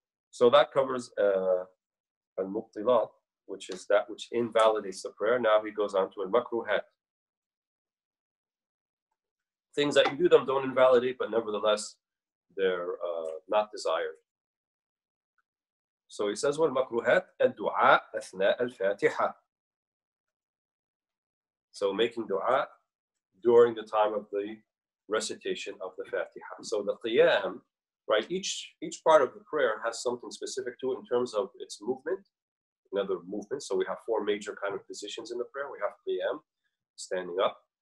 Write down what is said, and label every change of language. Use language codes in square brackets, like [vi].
[en] So that covers al-muqtilat, which is that which invalidates the prayer. Now he goes on to al-makruhat. Things that you do them don't invalidate, but nevertheless, they're not desired. So he says, [ar] وَالْمَكْرُهَاتْ الدُّعَاءَ أَثْنَاءَ الْفَاتِحَةِ. [en] So making dua during the time of the recitation of the Fatiha. So the qiyam, right, each part of the prayer has something specific to it in terms of its movement, another movement. So we have four major kind of positions in the prayer. We have qiyam, standing up.